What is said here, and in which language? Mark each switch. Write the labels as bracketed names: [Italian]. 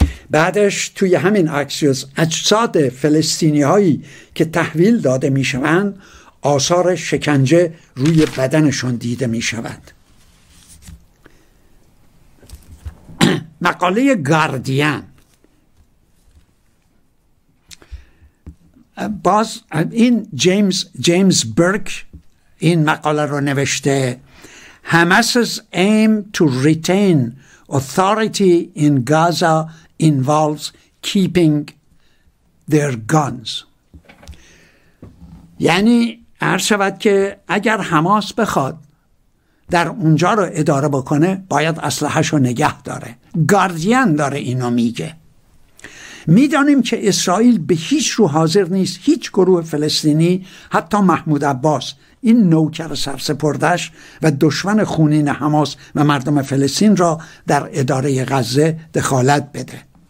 [Persian] بعدش توی همین اکسیوس، اجساد فلسطینی هایی که تحویل داده می شوند آثار شکنجه روی بدنشان دیده می شود. مقاله گاردین، باز این جیمز برک این مقاله رو نوشته. [English] حماس's aim to retain authority in Gaza involves keeping their guns. [Persian] یعنی عرض شود که اگر حماس بخواد در اونجا رو اداره بکنه باید اسلحه‌ش رو نگه داره. گاردین داره اینو میگه. میدانیم که اسرائیل به هیچ رو حاضر نیست هیچ گروه فلسطینی، حتی محمود عباس این نوکر سرسپردش و دشمن خونین حماس و مردم فلسطین را در اداره غزه دخالت بده.